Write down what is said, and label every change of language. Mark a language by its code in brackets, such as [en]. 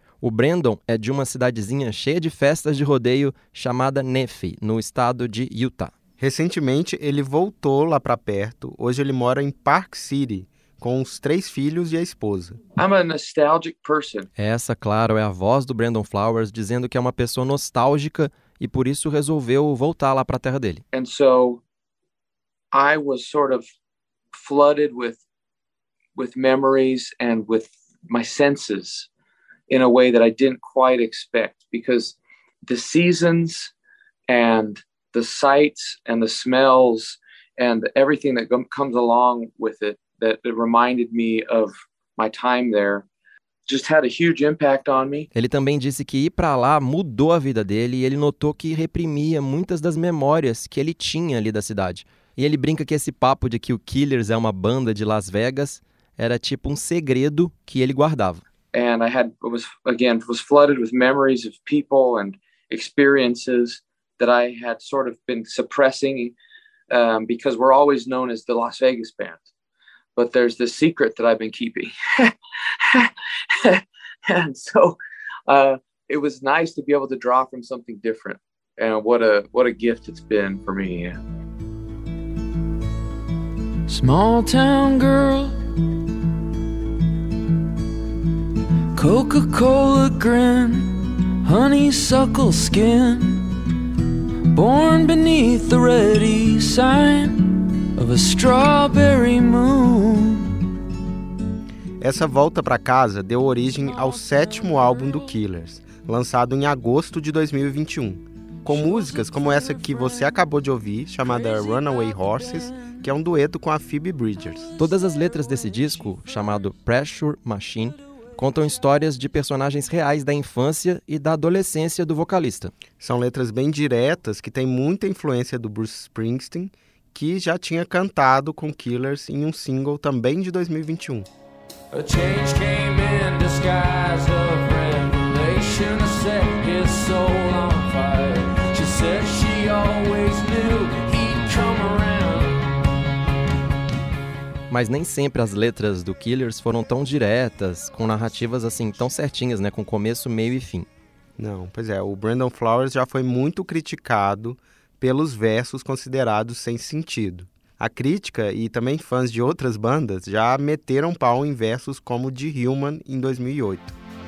[pt] O Brandon é de uma cidadezinha cheia de festas de rodeio chamada Nephi, no estado de Utah. Recentemente, ele voltou lá para perto. Hoje ele mora em Park City, com os três filhos e a esposa. [en] I'm a nostalgic person. [pt] Essa, claro, é a voz do Brandon Flowers dizendo que é uma pessoa nostálgica e por isso resolveu voltar lá para a terra dele. [en] And so I was sort of flooded with memories and with my senses in a way that I didn't quite expect, because the seasons and the sights and the smells and everything that comes along with it that it reminded me of my time there. Just had a huge impact on me. [pt] Ele também disse que ir para lá mudou a vida dele e ele notou que reprimia muitas das memórias que ele tinha ali da cidade. E ele brinca que esse papo de que o Killers é uma banda de Las Vegas era tipo um segredo que ele guardava. [en] And I had was flooded with memories of people and experiences that I had sort of been suppressing because we're always known as the Las Vegas band. But there's this secret that I've been keeping. And so it was nice to be able to draw from something different. And what a gift it's been for me. Small town girl, Coca-Cola grin, honeysuckle skin, born beneath the red east sign of a strawberry moon. [pt] Essa volta pra casa deu origem ao sétimo álbum do Killers, lançado em agosto de 2021, com músicas como essa que você acabou de ouvir, chamada Runaway Horses, que é um dueto com a Phoebe Bridgers. Todas as letras desse disco, chamado Pressure Machine, contam histórias de personagens reais da infância e da adolescência do vocalista. São letras bem diretas, que têm muita influência do Bruce Springsteen, que já tinha cantado com Killers em um single também de 2021. [en] A change came in disguise of revelation, a set his soul on fire. She said she always knew he'd come around. [pt] Mas nem sempre as letras do Killers foram tão diretas, com narrativas assim tão certinhas, né? Com começo, meio e fim. Não, pois é, o Brandon Flowers já foi muito criticado pelos versos considerados sem sentido. A crítica e também fãs de outras bandas já meteram pau em versos como o de Human em 2008.